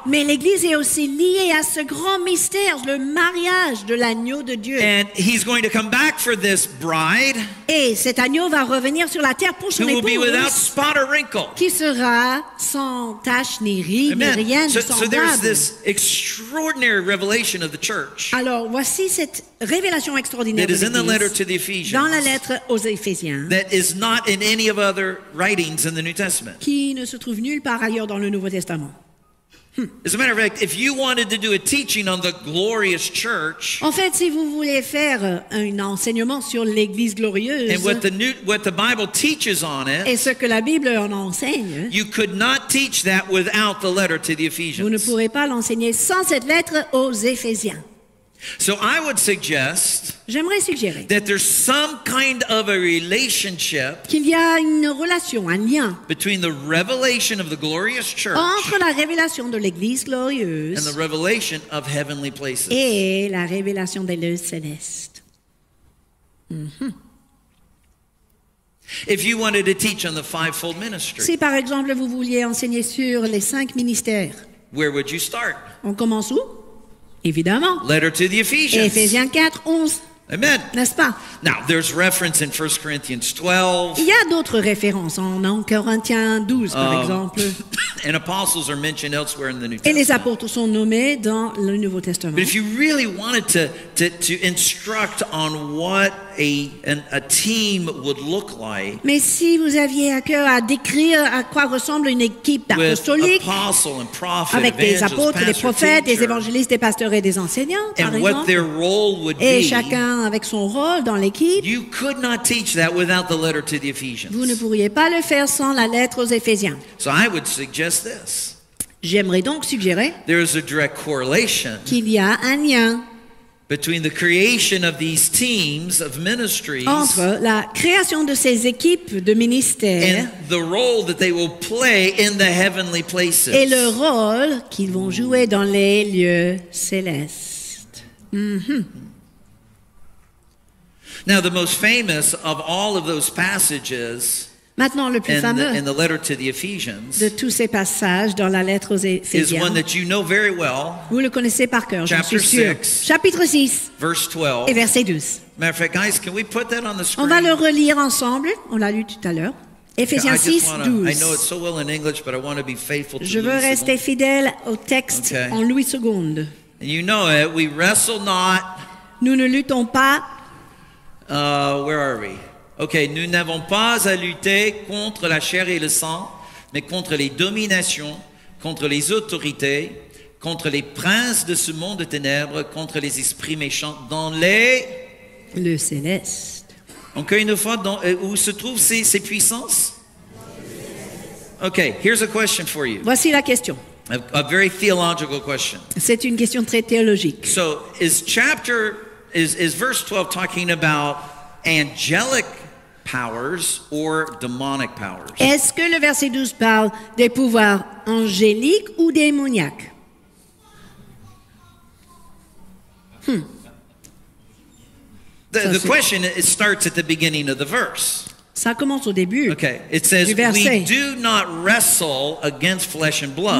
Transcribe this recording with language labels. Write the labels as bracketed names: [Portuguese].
[French] Mais l'Église est aussi liée à ce grand mystère, le mariage de l'agneau de Dieu. [English] And he's going to come back for this bride. [French] Et cet agneau va revenir sur la terre pour son épouse. [English] Who will be without spot or wrinkle. [French] Qui sera sans tache ni ride, ni rien de semblable. [English] So there's this extraordinary revelation of the church. [French] Alors voici cette révélation extraordinaire. [English] That is in the letter to the Ephesians. [French] Dans la lettre aux Éphésiens. [English] That is not in any of other writings in the New Testament. [French] Qui ne se trouve nulle part ailleurs dans le Nouveau Testament. [English] As a matter of fact, if you wanted to do a teaching on the glorious church, [French] en fait, si vous voulez faire un enseignement sur l'Église glorieuse, [English] and what the Bible teaches on it, [French] et ce que la Bible en enseigne, [English] you could not teach that without the letter to the Ephesians. [French] Vous ne pourrez pas l'enseigner sans cette lettre aux Éphésiens. [English] So I would suggest, [French] j'aimerais suggérer, [English] that there's some kind of a relationship, [French] qu'il y a une relation, un lien, [English] between the revelation of the glorious church, [French] entre la révélation de l'Église glorieuse, [English] and the revelation of heavenly places, [French] et la révélation des lieux célestes. Mm-hmm. [English] If you wanted to teach on the fivefold ministry, [French] si par exemple vous vouliez enseigner sur les cinq ministères, [English] where would you start? [French] On commence où? Évidemment. [English] Letter to the Ephesians. [French] Éphésiens 4, 11. [English] Amen. [French] N'est-ce pas? [English] Now, there's reference in 1 Corinthians 12. [French] Il y a d'autres références en 1 Corinthiens 12, par exemple. [English] And apostles are mentioned elsewhere in the New Testament. [French] Et les apôtres sont nommés dans le Nouveau Testament. [English] But if you really wanted to instruct on what a team would look like. [French] Mais si vous aviez à cœur à décrire à quoi ressemble une équipe apostolique. [English] With apostle and prophet, [French] avec des apôtres, des prophètes, des évangélistes, des pasteurs et des enseignants, par exemple. [English] And what their role would be. [French] Et chacun avec son rôle dans l'équipe. [English] You could not teach that without the letter to the Ephesians. [French] Vous ne pourriez pas le faire sans la lettre aux Éphésiens. [English] So I would suggest this. [French] J'aimerais donc suggérer. [English] There is a direct correlation. [French] Qu'il y a un lien. [English] Between the creation of these teams of ministries, [French] entre la création de ces équipes de ministères, [English] and the role that they will play in the heavenly places, [French] et le rôle qu'ils vont jouer dans les lieux célestes. Mm-hmm. [English] Now, the most famous of all of those passages. [French] Maintenant, le plus fameux [English] in the letter to the Ephesians, [French] de tous ces passages dans la lettre aux Éphésiens, [English] is one that you know very well, [French] vous le connaissez par cœur, [English] chapter [French] je suis sûr. [English] 6, [French] chapitre 6, [English] verse 12. [French] Et verset 12. [English] Matter of fact, guys, can we put that on the screen? [French] On va le relire ensemble. On l'a lu tout à l'heure. Éphésiens 6, 12. [English] I know it so well in English, but I want to be faithful to [French] je veux rester fidèle au texte en Louis II. [English] And you know it, we wrestle not. [French] Nous ne luttons pas. [English] Where are we? [French] Okay, nous n'avons pas à lutter contre la chair et le sang, mais contre les dominations, contre les autorités, contre les princes de ce monde de ténèbres, contre les esprits méchants dans les... Le céleste. Encore une fois, où se trouvent ces puissances? [English] Okay, here's a question for you. [French] Voici la question. [English] A very theological question. [French] C'est une question très théologique. [English] So, is verse 12 talking about angelic powers or demonic powers? [French] Est-ce que le verset 12 parle des pouvoirs angéliques ou démoniaques? [English] The question it starts at the beginning of the verse. [French] Ça commence au début. [English] Okay, it says we do not wrestle against flesh and blood.